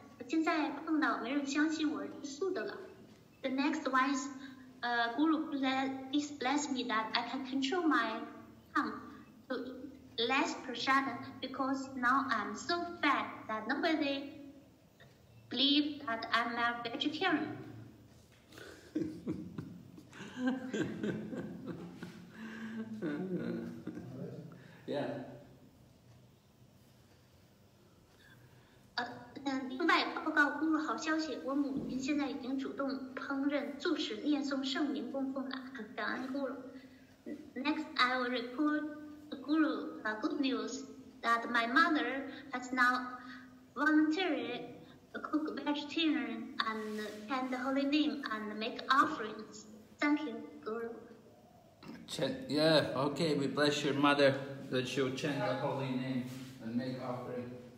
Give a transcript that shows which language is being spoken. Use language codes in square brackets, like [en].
[zh] 我现在碰到没人相信我吃素的了。 [en] The next one is Guru please bless me that I can control my tongue to less prasadam because now I'm so fat that nobody believe that I'm a vegetarian. Yeah. [zh] 另外报告公布好消息，我母亲现在已经主动烹饪、住持、念诵圣名、供奉了，很感恩咕噜。 [en] Next, I will report the guru a good news that my mother has now volunteered. Cook vegetarian and chant the holy name and make offerings. Thank you, Guru. Okay, we bless your mother that she'll chant the holy name and make offering.